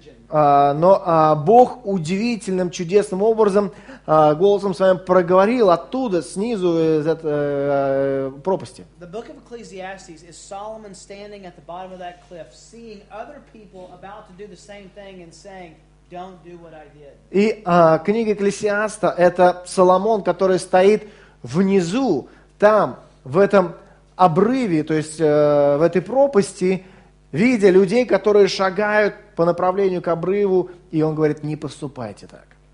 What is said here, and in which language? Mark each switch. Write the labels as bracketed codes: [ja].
[ru] Но Бог удивительным, чудесным образом голосом своим проговорил оттуда, снизу, из этой пропасти. [en] The book of Ecclesiastes is Solomon standing at the bottom of that cliff, seeing other people about to do the same thing and saying, "Don't do what I did." [ru] И книга Екклесиаста — это Соломон, который стоит внизу, там, в этом обрыве, то есть в этой пропасти, видя людей, которые шагают по направлению к обрыву, и он говорит, не поступайте так.